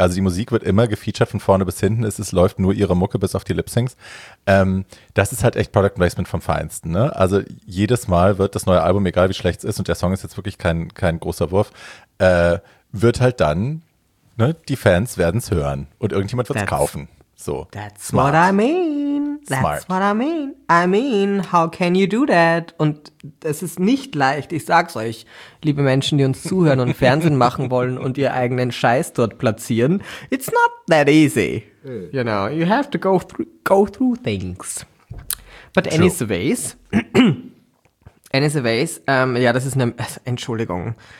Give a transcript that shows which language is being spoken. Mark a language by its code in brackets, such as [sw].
[de] Also die Musik wird immer gefeatured von vorne bis hinten. Es läuft nur ihre Mucke bis auf die Lip-Syncs. Das ist halt echt Product Placement vom Feinsten. Ne? Also jedes Mal wird das neue Album, egal wie schlecht es ist, und der Song ist jetzt wirklich kein großer Wurf, wird halt dann, ne, die Fans werden es hören und irgendjemand wird es kaufen. So. [en] That's smart. What I mean. That's smart. What I mean. I mean, how can you do that? [de] Und es ist nicht leicht. Ich sag's euch, liebe Menschen, die uns zuhören und Fernsehen machen wollen und ihr eigenen Scheiß dort platzieren. [en] It's not that easy. You know, you have to go through things. But anyways, anyways, [de] ja, das ist eine Entschuldigung.